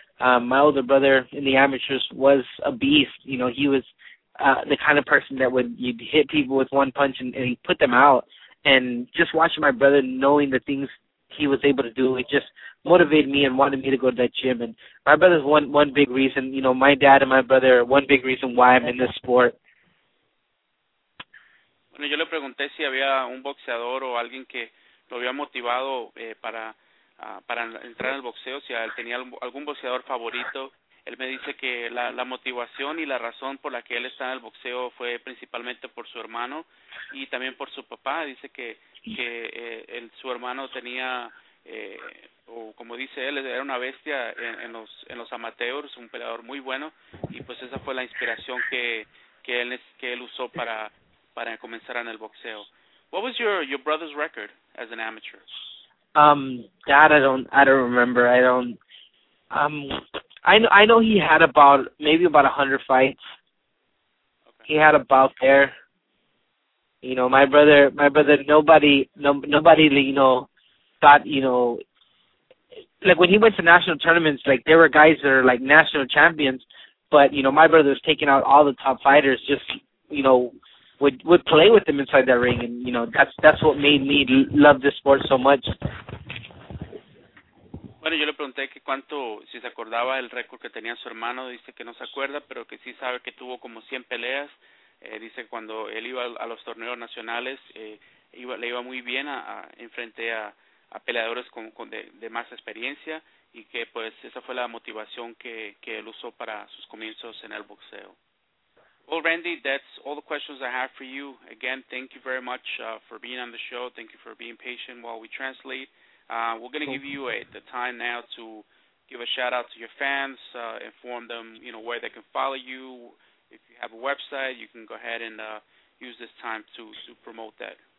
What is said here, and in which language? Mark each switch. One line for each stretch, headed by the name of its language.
English: My older brother in the amateurs was a beast. You know, he was the kind of person that you'd hit people with one punch and he'd put them out. And just watching my brother, knowing the things he was able to do, it just motivated me and wanted me to go to that gym. And my brother's one big reason, you know, my dad and my brother are one big reason why I'm in this sport.
Spanish: Bueno, yo le pregunté si había un boxeador o alguien que lo había motivado para entrar al boxeo, si él tenía algún boxeador favorito. Él me dice que la motivación y la razón por la que él está en el boxeo fue principalmente por su hermano y también por su papá. Dice que su hermano tenía, o como dice él, era una bestia en los amateurs, un peleador muy bueno, y pues esa fue la inspiración que él usó para comenzar en el boxeo.
English: What was your brother's record as an amateur? I don't remember. I know he had about 100 fights. Okay. He had about there. You know, my brother, nobody thought, like when he went to national tournaments, like there were guys that are like national champions, but my brother was taking out all the top fighters, just would play with them inside that ring, and that's what made me love this sport so much.
Spanish: Bueno, yo le pregunté que cuánto, si se acordaba el récord que tenía su hermano. Dice que no se acuerda, pero que sí sabe que tuvo como 100 peleas. Dice que cuando él iba a los torneos nacionales, le iba muy bien enfrente a peleadores con de más experiencia, y que pues esa fue la motivación que él usó para sus comienzos en el boxeo.
English: Well, Randy, that's all the questions I have for you. Again, thank you very much for being on the show. Thank you for being patient while we translate. We're going to give you the time now to give a shout-out to your fans, inform them, where they can follow you. If you have a website, you can go ahead and use this time to promote that.